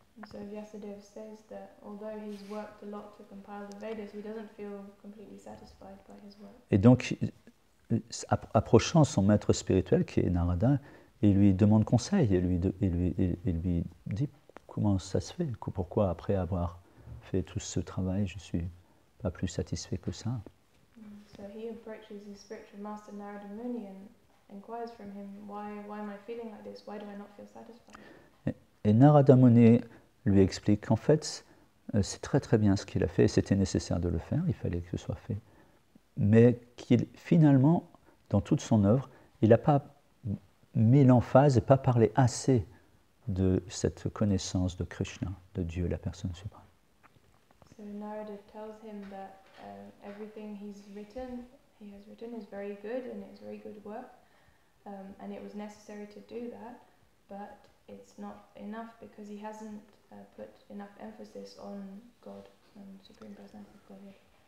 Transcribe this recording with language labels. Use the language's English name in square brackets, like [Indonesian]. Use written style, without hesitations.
[English] So Vyasadeva says that although he's worked a lot to compile the Vedas, he doesn't feel completely satisfied by his work. [French] Et donc, approchant son maître spirituel qui est Narada, il lui demande conseil. Il lui dit comment ça se fait, pourquoi après avoir fait tout ce travail, je suis pas plus satisfait que ça. [English] So he approaches his spiritual master Narada Muni and inquires from him why am I feeling like this? Why do I not feel satisfied? [French] Et Narada Muni lui explique qu'en fait, c'est très très bien ce qu'il a fait, et c'était nécessaire de le faire, il fallait que ce soit fait. Mais qu'il, finalement, dans toute son œuvre, il n'a pas mis l'emphase et pas parlé assez de cette connaissance de Krishna, de Dieu, la Personne Suprême. [English] So Narada tells him that everything he has written is very good and it's very good work, and it was necessary to do that, but it's not enough because he hasn't put enough emphasis on God and the Supreme Personality of Godhead.